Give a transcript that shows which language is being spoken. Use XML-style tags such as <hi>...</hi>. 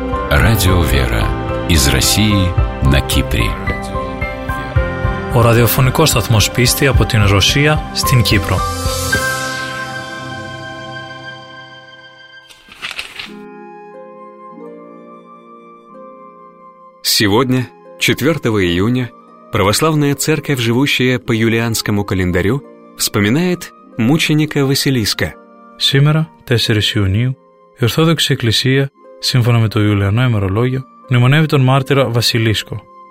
<ru>Радио «Вера» из России на Кипре.</ru> <el>Ο ραδιοφωνικός σταθμός πίστη από την Ρωσία στην Κύπρο.</el> <ru>Сегодня, 4 июня, православная церковь, живущая по юлианскому календарю, вспоминает мученика Василиска. Сегодня, 4 июня,</ru> <el>η Ορθόδοξη Εκκλησία, σύμφωνα με το Ιουλιανό ημερολόγιο, μνημονεύει τον μάρτυρα Βασιλίσκο.</el>